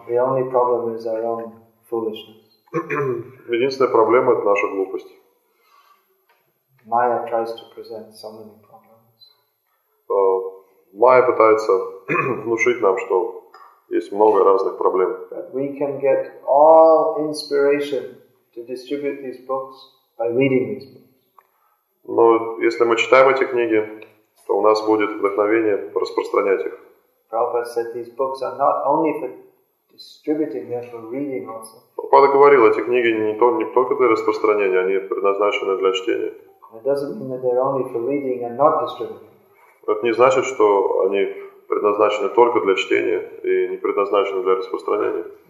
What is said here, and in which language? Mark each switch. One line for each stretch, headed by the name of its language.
English: The only problem is our own foolishness.
Russian: Единственная проблема — это наша глупость.
English: Maya tries to present so many problems.
Russian: Майя пытается внушить нам, что есть много разных проблем.
English: We can get all inspiration to distribute these books by reading these books.
Russian: Но если мы читаем эти книги, то у нас будет вдохновение распространять их.
English: Prabhupada said these books are not only for distributing, they're for reading also.
Russian: Прабхупада говорил, эти книги не только для распространения, они предназначены для чтения.
English: It doesn't mean that they're only for reading and not distributing.
Russian: Это не значит, что они предназначены только для чтения и не предназначены для распространения.